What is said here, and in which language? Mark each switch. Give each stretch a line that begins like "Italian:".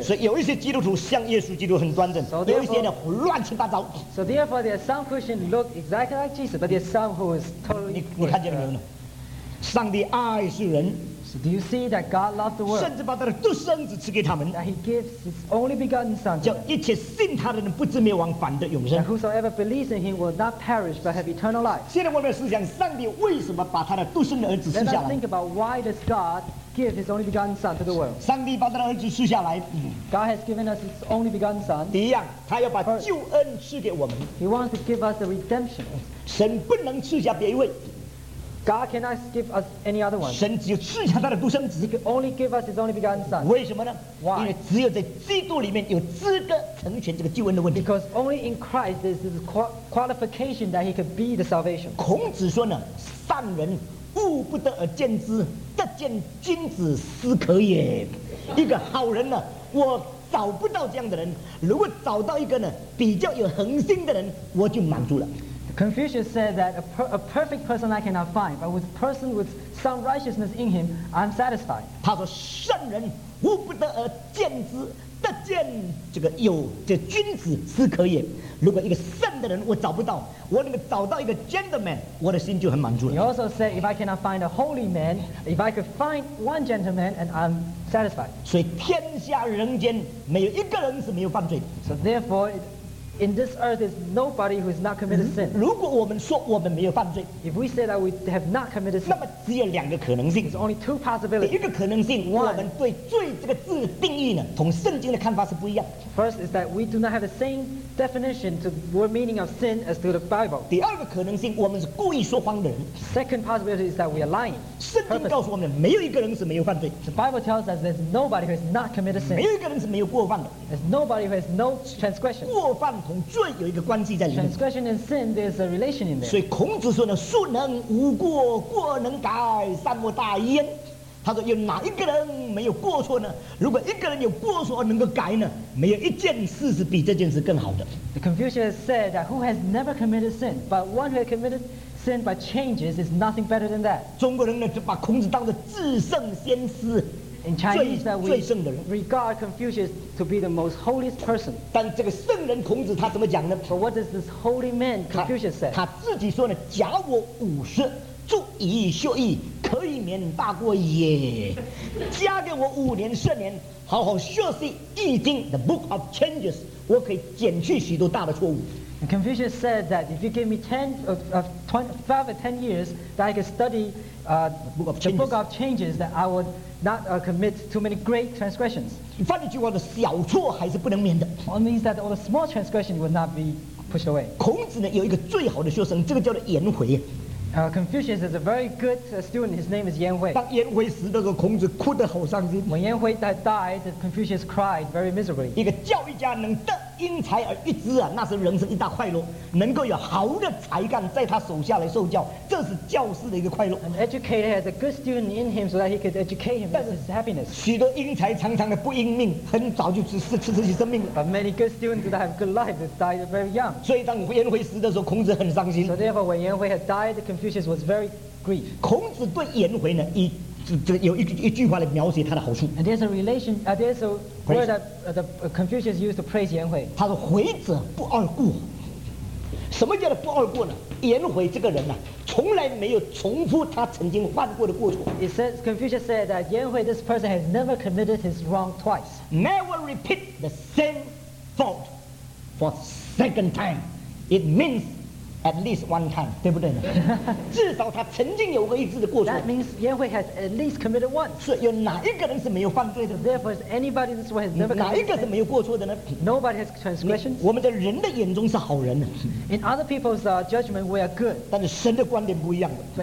Chinese: 所以有一些基督徒像耶稣基督很端正，有一些呢乱七八糟。
English: So therefore, there are some Christians look exactly like Jesus, but there are some who is totally.
Chinese: 你看见了没有呢？上帝爱是人。
English: Do you see that God loved the world?
Chinese: 甚至把他的独生子赐给他们。
English: That He gives His only begotten Son.
Chinese: 叫一切信他的人不至灭亡，反得永生。
English: That whosoever believes in Him will not perish but have eternal life.
Chinese: 现在我们要思想上帝为什么把他的独生的儿子赐下来。
English: Let us think about why does God give His only begotten Son to the world?
Chinese: 上帝把他的儿子赐下来。
English: God has given us His only begotten Son.
Chinese: 第一样，他要把救恩赐给我们。
English: He wants to give us the redemption.
Chinese: 神不能赐下别一位。
English: God cannot give us any other one.
Chinese: 神只有赐下他的独生子。
English: He can only give us His only begotten Son.
Chinese: 为什么呢？
English: Why?
Chinese: 因为只有在基督里面有资格成全这个救恩的问题。
English: Because only in Christ is this qualification that He could be the salvation.
Chinese: 孔子说呢，善人物不得而见之，得见君子斯可也。一个好人呢，我找不到这样的人。如果找到一个呢，比较有恒心的人，我就满足了。
English: Confucius said that a perfect person I cannot find, but with a person with some righteousness in him, I'm satisfied.
Chinese: 他说圣人无不得而见之，得见这个有这君子斯可也。如果一个圣的人我找不到，我能够找到一个 gentleman， 我的心就很满足了。
English: He also said, if I cannot find a holy man, if I could find one gentleman, and I'm satisfied.
Chinese: 所以天下人间没有一个人是没有犯罪的。
English: So therefore, in this earth is nobody who has not committed sin.
Chinese: 如果我们说我们没有犯罪，
English: if we say that we have not committed sin,
Chinese: 那么只有两个可能性。
English: There's only two possibilities.
Chinese: 第一个可能性，
English: One,
Chinese: 我们对罪这个字的定义呢，同圣经的看法是不一样。
English: First is that we do not have the same definition to the meaning of sin as to the Bible.
Chinese: 第二个可能性，我们是故意说谎的人。
English: Second possibility is that we are lying.
Chinese: 圣经告诉我们，没有一个人是没有犯罪。
English: The Bible tells us there's nobody who has not committed sin.
Chinese: 没有一个人是没有过犯的。
English: There's nobody who has no transgression.
Chinese: 过犯同罪有一个关系在里面。
English: Transgression and sin, there's a relation in there.
Chinese: 所以孔子说呢，恕能无过，过能改，善莫大焉。他说有哪一个人没有过错呢？如果一个人有过错能够改呢，没有一件事是比这件事更好的。
English: The Confucius said that who has never committed sin, but one who has committed sin by changes is nothing better than that.
Chinese: 中国人呢就把孔子当作至圣先师。
English: In Chinese, that we regard Confucius to be the most holiest person.
Chinese: 但这个圣人孔子他怎么讲呢？
English: But what does this holy man Confucius say?
Chinese: 他自己说呢，假我五十，著以修矣，可以免大过也。加给我五年十年，好好学习易经
English: The Book of Changes，
Chinese: 我可以减去许多大的错误。
English: And Confucius said that if you give me 5 or 10 years that I can study the book of changes, that I would not commit too many great transgressions.
Chinese: 反正就我的小错还是不能免的。
English: It means that all the small transgression would not be pushed away.
Chinese: 孔子呢有一个最好的学生，这个叫做颜回。
English: Confucius is a very good student. His name is Yan Hui.
Chinese: 当颜回死的时候，孔子哭得好伤心。
English: When Yan Hui died, Confucius cried very miserably.
Chinese: 一个教育家能得因才而育之啊，那是人生一大快乐。能够有好的才干在他手下来受教，这是教师的一个快乐。
English: An educator has a good student in him so that he could educate him. That's his happiness.
Chinese: 许多因才常常的不应命，很早就失去生命了。
English: But many good students that have good life died very young.
Chinese: 所以当颜回死的时候，孔子很伤心。
English: So therefore, when Yan Hui had died, Confucius was very grief.
Chinese: 孔子对颜回呢，有一句话来描写他的好处。
English: And there's a relation. There's a word that Confucius used to praise Yan Hui.
Chinese: 他说：“回者不贰过。” 什么叫做不贰过呢？颜回这个人呢、啊，从来没有重复他曾经犯过的过错。
English: It says Confucius said that Yan Hui, this person, has never committed his wrong twice. Never repeat the same fault for second time. It means. At least one time,
Chinese: 对不对呢？至少他曾经有过一次的过错。
English: That means Yan Hui has at least committed once.
Chinese: 是有哪一个人是没有犯罪的
English: ？Therefore, anybody this way has never.
Chinese: 哪一个是没有过错的呢
English: ？Nobody has transgressions.
Chinese: 我们在人的眼中是好人。
English: In other people's judgment, we are good.
Chinese: 但是神的观点不一样的。